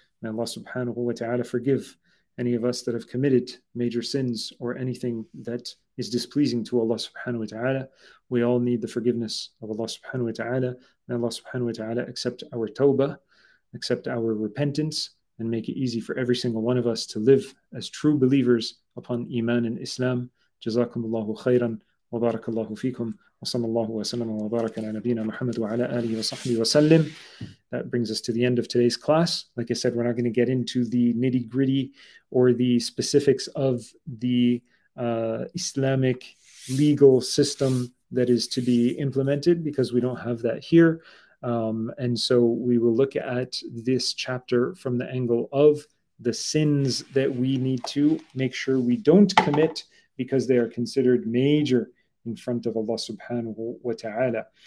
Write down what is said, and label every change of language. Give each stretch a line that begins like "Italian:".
English: May Allah subhanahu wa ta'ala forgive any of us that have committed major sins or anything that is displeasing to Allah subhanahu wa ta'ala. We all need the forgiveness of Allah subhanahu wa ta'ala. May Allah subhanahu wa ta'ala accept our tawbah, accept our repentance, and make it easy for every single one of us to live as true believers upon Iman and Islam.
Arabic: جزاكم الله خيرا وبارك الله فيكم وصلى الله وسلم وبارك على نبينا محمد وعلى آله وصحبه وسلم.
English: That brings us to the end of today's class. Like I said, we're not going to get into the nitty-gritty or the specifics of the Islamic legal system that is to be implemented, because we don't have that here. And so we will look at this chapter from the angle of the sins that we need to make sure we don't commit, because they are considered major in front of Allah subhanahu wa ta'ala.